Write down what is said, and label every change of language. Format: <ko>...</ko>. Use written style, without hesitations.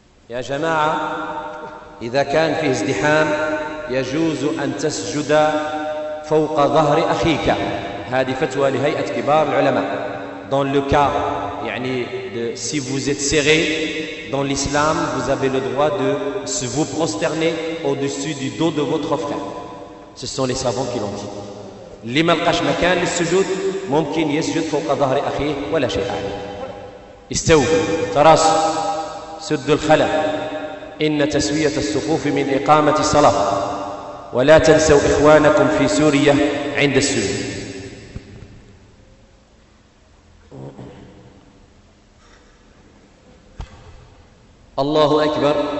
<ar>يا جماعة إذا كان فيه ازدحام يجوز أن تسجد فوق ظهر أخيك هذه فتوى لهيئة كبار العلماء</ar> <fr>dans le cas</fr> <ar>يعني</ar> <fr>si vous êtes serré dans l'islam, vous avez le droit de vous prosterner au-dessus du dos de votre frère. Ce sont les savants qui l'ont dit.</fr> <ar>لما لقاش مكان للسجود ممكن يسجد فوق ظهر اخيه ولا شيء عليه استو تراص سد الخلا ان تسويه الصفوف من اقامه الصلاه ولا تنسوا اخوانكم في سوريا عند السجود الله اكبر</ar>